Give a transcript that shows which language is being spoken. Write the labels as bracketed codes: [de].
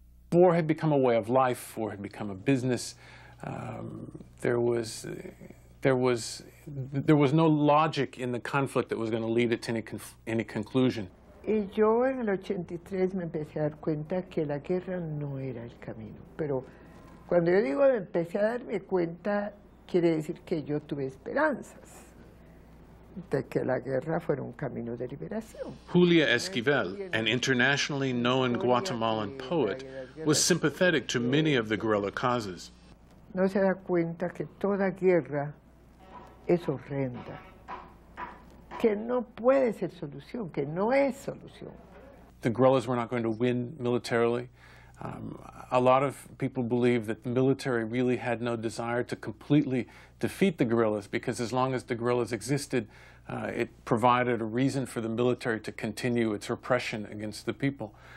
[en] War had become a way of life. War had become a business. There was no logic in the conflict that was going to lead it to any conclusion. [es] Y yo en el 83 me empecé a dar cuenta que la guerra no era el camino. Pero cuando yo digo me empecé a darme cuenta, quiere decir que yo tuve esperanzas de que la guerra fuera un camino de liberación. [en] Julia Esquivel, an internationally known Guatemalan poet, was sympathetic to many of the guerrilla causes. [es] No se da cuenta que toda guerra es horrenda, que no puede ser solución, que no es solución. [en] The guerrillas were not going to win militarily. A lot of people believe that the military really had no desire to completely defeat the guerrillas, because as long as the guerrillas existed, it provided a reason for the military to continue its repression against the people.